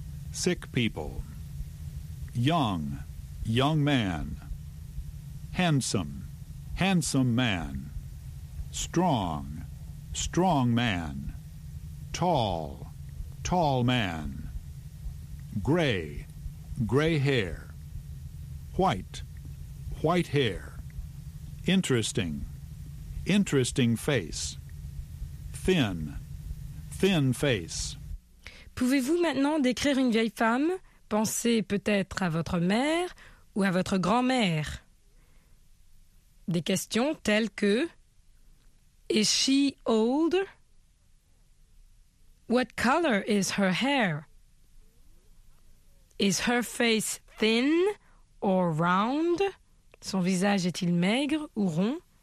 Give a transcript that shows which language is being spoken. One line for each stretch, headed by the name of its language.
English: Sick people, young, young man, handsome, handsome man, strong, strong man, tall, tall man, gray, gray hair, white, white hair, interesting, interesting face, thin, thin face.
French: Pouvez-vous maintenant décrire une vieille femme? Pensez peut-être à votre mère ou à votre grand-mère. Des questions telles que
English: Is she old? What color is her hair? Is her face thin or round?
French: Son visage est-il maigre ou rond?